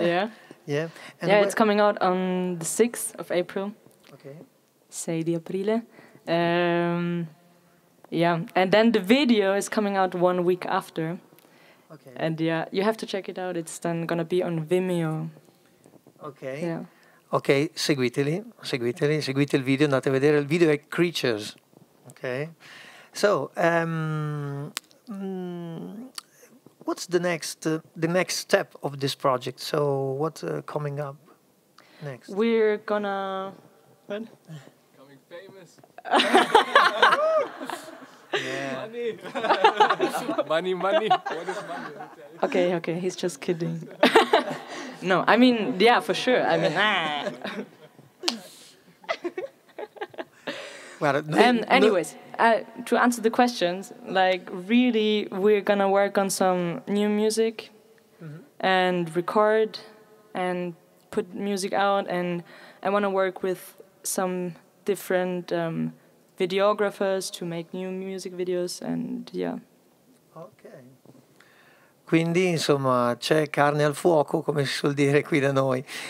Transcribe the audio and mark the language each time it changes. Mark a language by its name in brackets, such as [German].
[English] Yeah. Yeah. And yeah, it's coming out on the 6th of April. Okay. [Italian] 6 di aprile. Yeah. [English] And then the video is coming out 1 week after. Okay. And yeah, you have to check it out. It's then going to be on Vimeo. Okay. Yeah. [Italian] Okay, seguiteli, seguite il video, andate a vedere il video è Creatures. [English] Okay. So, what's the next step of this project? So, what's coming up next? We're gonna what? Coming famous. Yeah. Money. What is money? Okay, he's just kidding. No, I mean, yeah, for sure. Yeah. I mean, well, anyways, to answer the questions, like, really, we're gonna work on some new music mm-hmm. and record and put music out, and I wanna work with some different videographers to make new music videos, and yeah. Okay. [Italian] Quindi, insomma, c'è carne al fuoco, come si suol dire qui da noi.